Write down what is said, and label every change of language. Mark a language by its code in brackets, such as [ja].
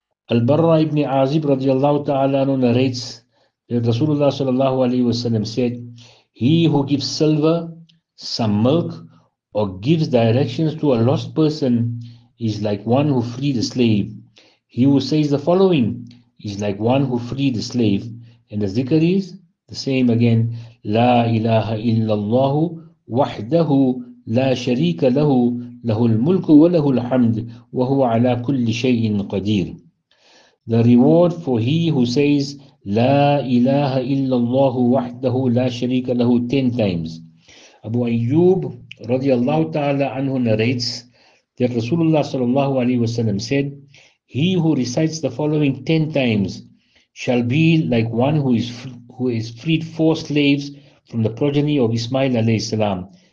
[en] Al-Barra ibn Azib radiallahu ta'ala narrates that Rasulullah sallallahu alayhi wasallam said, he who gives silver, some milk, or gives directions to a lost person is like one who freed a slave. He who says the following is like one who freed a slave. And the zikr is the same again, [ar] La ilaha illallahu وحده لا شريك له، له الملك وله الحمد، وهو على كل شيء قدير. [en] The reward for he who says [ar] La ilaha illallah wahdahu la sharika lahu [en] 10 times. Abu Ayyub radiallahu ta'ala anhu narrates that Rasulullah sallallahu alayhi wa sallam said, He who recites the following 10 times shall be like one who is freed four slaves from the progeny of Ismail alayhi salam.